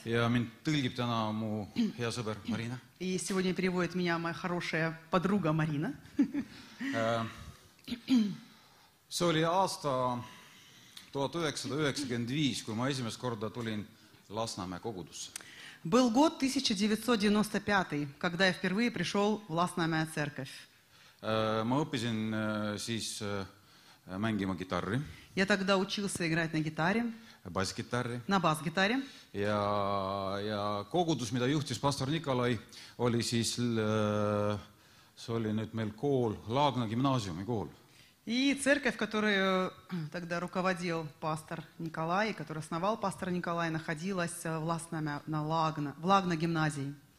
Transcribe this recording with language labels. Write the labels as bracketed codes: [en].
[et] Ja mind tõlgib täna mu hea sõber Marina. [ru] И сегодня переводит меня моя хорошая подруга Марина. [et] See oli aasta 1995, kui ma esimest korda tulin Lasnamäe kogudusse. [ru] Был год 1995, когда я впервые пришел в Lasnamäe церковь. [et] Ma õppisin siis mängima gitarri. [ru] Я тогда учился играть на гитаре. [et] Бас-гитарри. [ru] На бас-гитарре. [et] Ja kogudus, mida juhtis pastor Nikolai, oli siis, see oli nüüd meil kool, Laagna gimnaasiumi kool. [ru] И церковь, которую тогда руководил пастор Николай, который основал пастор Николай, находилась в Lasnamäe на Лагна, в Лагна гимназии.